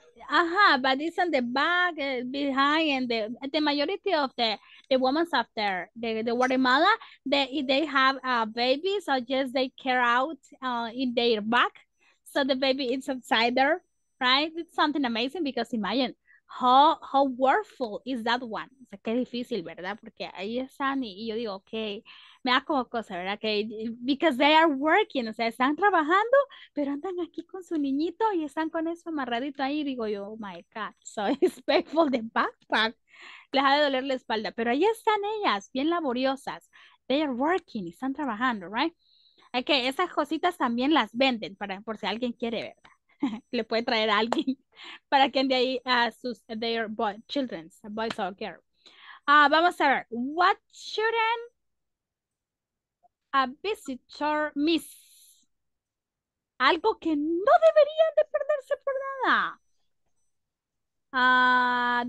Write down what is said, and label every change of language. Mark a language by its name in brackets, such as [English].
[English] Uh-huh, but it's on the back behind, and the majority of the women's after the Guatemala, they have a baby, so just they care out in their back, so the baby is inside there, right? It's something amazing, because imagine how worthful is that one. [Spanish] O sea, qué difícil, ¿verdad? Porque ahí están y yo digo, okay, me da como cosa, ¿verdad? Okay, [English] because they are working, [Spanish] o sea, están trabajando, pero andan aquí con su niñito y están con eso amarradito ahí. Digo yo, [English] oh my God, so respectful the backpack. [Spanish] Les ha de doler la espalda, pero ahí están ellas, bien laboriosas. [English] They are working, [Spanish] están trabajando, [English] right? [Spanish] Okay, esas cositas también las venden para, por si alguien quiere, ¿verdad? Le puede traer a alguien para que ande ahí a sus [English] their boy, children, boys or girls. [Spanish] Vamos a ver, [English] what shouldn't a visitor miss? [Spanish] Algo que no deberían de perderse por nada.